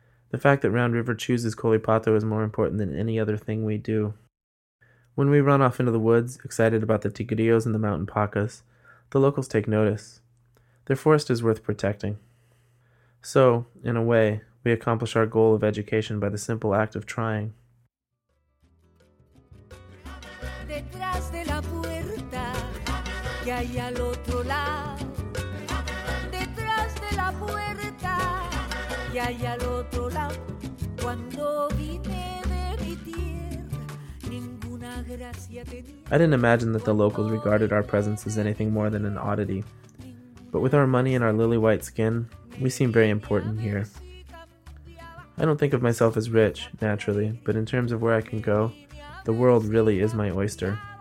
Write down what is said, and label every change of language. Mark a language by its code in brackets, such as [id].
[en] The fact that Round River chooses Colipato is more important than any other thing we do. When we run off into the woods, excited about the tigrillos and the mountain pacas, the locals take notice. Their forest is worth protecting. So, in a way, we accomplish our goal of education by the simple act of trying. [es] Detrás de la puerta que hay al otro lado. Detrás de la puerta que hay al otro lado. Cuando vine de mi tierra, ninguna gracia tenía. [en] I didn't imagine that the locals regarded our presence as anything more than an oddity. But with our money and our lily white skin, we seem very important here. I don't think of myself as rich, naturally, but in terms of where I can go, the world really is my oyster.